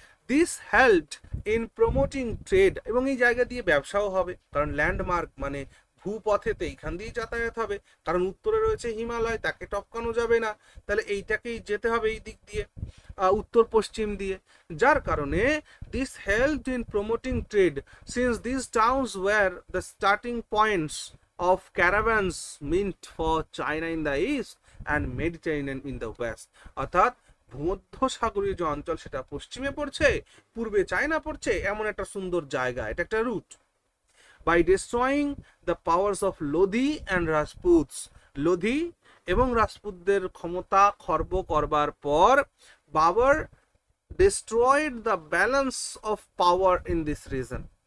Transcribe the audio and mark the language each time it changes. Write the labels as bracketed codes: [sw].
[bn] This helped in promoting trade, এবং এই জায়গা দিয়ে ব্যবসাও হবে, কারণ ল্যান্ডমার্ক মানে ভূপথেতে এইখান দিয়েই যাতায়াত হবে, কারণ উত্তরে রয়েছে হিমালয়, তাকে টপকানো যাবে না, তাহলে এইটাকেই যেতে হবে এই দিক দিয়ে, উত্তর পশ্চিম দিয়ে। [en] যার কারণে this helped in promoting trade since this towns were the starting points of caravans meant for China in the east and Mediterranean in the west. [bn] অর্থাৎ ভূমধ্যসাগরীয় যে অঞ্চল সেটা পশ্চিমে পড়ছে, পূর্বে চায়না পড়ছে, এমন একটা সুন্দর জায়গা, এটা একটা root. [en] By destroying the powers of Lodi and Rajputs, Lodi ebong Rajputder khomota khorbo korbar por Babur destroyed the balance of power in this region.